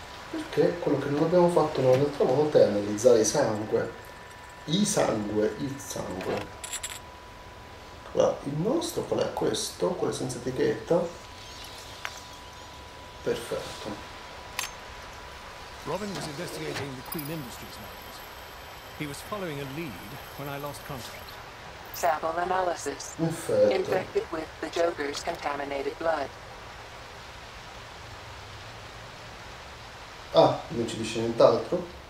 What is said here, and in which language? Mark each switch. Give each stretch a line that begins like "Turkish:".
Italian: Perché quello che non abbiamo fatto un'altra volta è analizzare il sangue. Allora, il nostro qual è? Questo? Quello senza etichetta? Perfetto.
English: Robin was investigating the Queen Industries mines. He was following a lead when I lost contact. Sample analysis.
Italian: Infetto.
English: Infected with the Joker's contaminated blood.
Italian: Ah, non ci dice nient'altro?